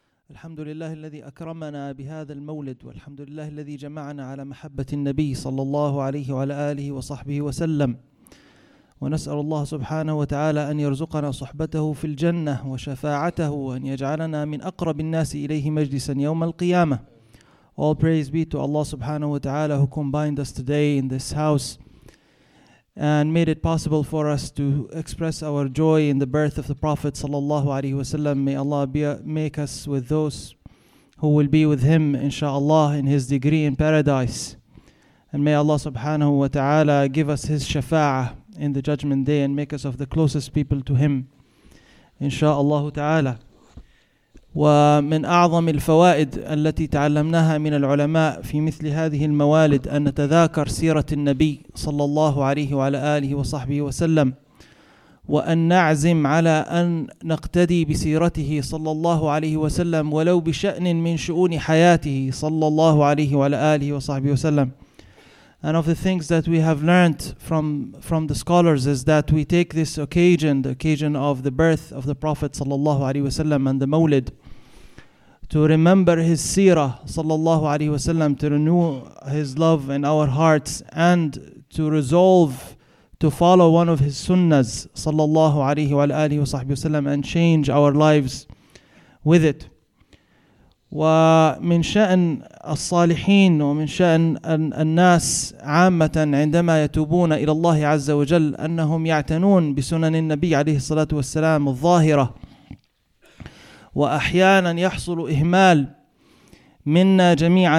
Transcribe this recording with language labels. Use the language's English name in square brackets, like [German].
[Arabic] الحمد لله الذي أكرمنا بهذا المولد، والحمد لله الذي جمعنا على محبة النبي صلى الله عليه وعلى آله وصحبه وسلم، ونسأل الله سبحانه وتعالى أن يرزقنا صحبته في الجنة وشفاعته، وأن يجعلنا من أقرب الناس إليه مجلسا يوم القيامة. [English] All praise be to Allah subhanahu wa ta'ala who combined us today in this house and made it possible for us to express our joy in the birth of the Prophet sallallahu alayhi wa sallam. May Allah make us with those who will be with him inshallah in his degree in paradise. And may Allah subhanahu wa ta'ala give us his shafa'ah in the judgment day and make us of the closest people to him inshallah ta'ala. [Arabic] ومن أعظم الفوائد التي تعلمناها من العلماء في مثل هذه الموالد أن نتذاكر سيرة النبي صلى الله عليه وعلى آله وصحبه وسلم، وأن نعزم على أن نقتدي بسيرته صلى الله عليه وسلم ولو بشأن من شؤون حياته صلى الله عليه وعلى آله وصحبه وسلم. [English] And of the things that we have learned from the scholars is that we take this occasion, the occasion of the birth of the Prophet sallallahu alaihi wasallam and the Mawlid, to remember his seerah sallallahu alaihi wasallam, to renew his love in our hearts and to resolve to follow one of his sunnahs sallallahu alaihi wa alihi wasallam and change our lives with it. [Arabic] ومن شأن الصالحين ومن شأن الناس عامة عندما يتوبون إلى الله عز وجل أنهم يعتنون بسنن النبي عليه الصلاة والسلام الظاهرة، وأحيانا يحصل إهمال منا جميعا.